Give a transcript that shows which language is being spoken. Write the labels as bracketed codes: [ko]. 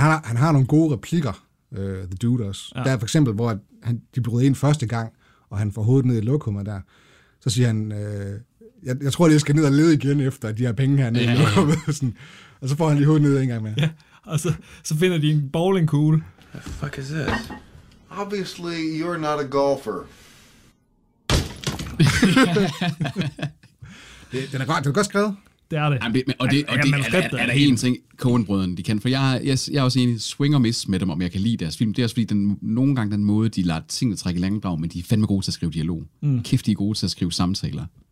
[da] Han har nogle gode replikker, The Dude også. Ja. Der er for eksempel, hvor de bryder ind første gang, og han får hovedet ned i lokummet der. Så siger han, jeg tror, jeg skal ned og lede igen efter de her penge her nede i lokummet. Og så får han lige hovedet ned en gang mere. Ja, og så finder de en bowlingkugle. [en] What the fuck is this? Obviously, you're not a golfer. [da] Den er godt, det er godt skrevet. Det er det. Jamen, det er der en ting, Coen-brødrene, de kan. For jeg er også enig, swing og miss med dem, om jeg kan lide deres film. Det er også fordi, nogle gange den måde, de lader tingene trække i langdrag, men de er fandme gode til at skrive dialog. Mm. Kæft, de er gode til at skrive samtaler.